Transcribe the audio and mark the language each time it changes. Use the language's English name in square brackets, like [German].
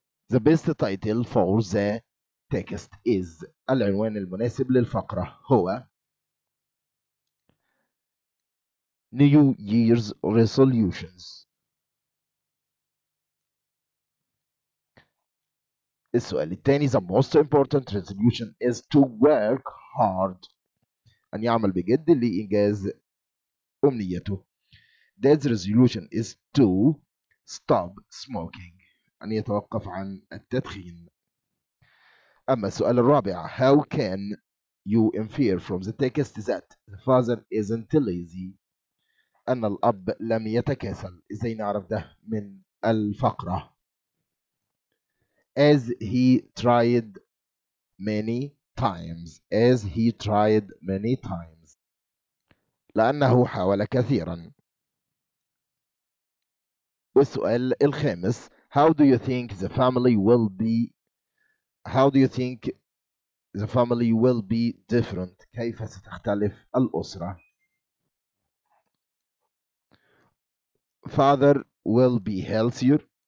[English] The best title for the text is [Arabic] العنوان المناسب للفقرة هو [English] New Year's Resolutions. [Arabic] السؤال الثاني. [English] The most important resolution is to work hard. [Arabic] أن يعمل بجد لإنجاز أمنيته. [English] That resolution is to stop smoking. [Arabic] أن يتوقف عن التدخين. أما السؤال الرابع. [English] How can you infer from the text that the father isn't lazy? [Arabic] أن الأب لم يتكاسل. إزاي نعرف ده من الفقرة؟ [English] As he tried many times. As he tried many times. [Arabic] لأنه حاول كثيرا. والسؤال الخامس. [English] How do you think the family will be? How do you think the family will be different? [Arabic] كيف ستختلف الأسرة؟ [English] Father will be healthier.